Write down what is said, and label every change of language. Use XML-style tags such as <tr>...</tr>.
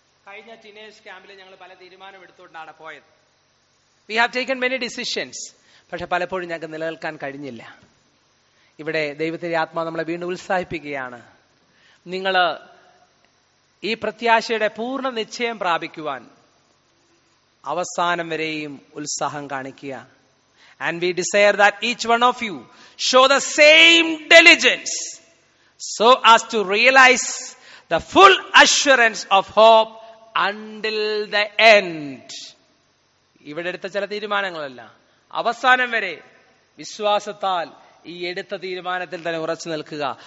<ml>കഴിഞ്ഞ ടീനേജ് ക്യാമ്പിൽ ഞങ്ങൾ പല തീരുമാനം എടുത്തുകൊണ്ടാണ് പോയത്.</ml> <en>we have taken many decisions,</en> <ml>പക്ഷെ പലപ്പോഴും ഞങ്ങൾക്ക് നിലനിൽക്കാൻ കഴിഞ്ഞില്ല. ഇവിടെ ദൈവത്തിന്റെ ആത്മാവ് നമ്മളെ വീണ്ടും ഉത്സാഹിപ്പിക്കുകയാണ്, നിങ്ങൾ ഈ പ്രത്യാശയുടെ പൂർണ്ണ നിശ്ചയം പ്രാപിക്കുവാൻ അവസാനം വരെയും ഉത്സാഹം കാണിക്കുക.</ml> <en>And we desire that each one of you show the same diligence so as to realize the full assurance of hope until the end.</en> <ml>ഇവിടെ എടുത്ത ചില തീരുമാനങ്ങളല്ല, അവസാനം വരെ വിശ്വാസത്താൽ ഈ എടുത്ത തീരുമാനത്തിൽ തന്നെ ഉറച്ചു നിൽക്കുക.</ml>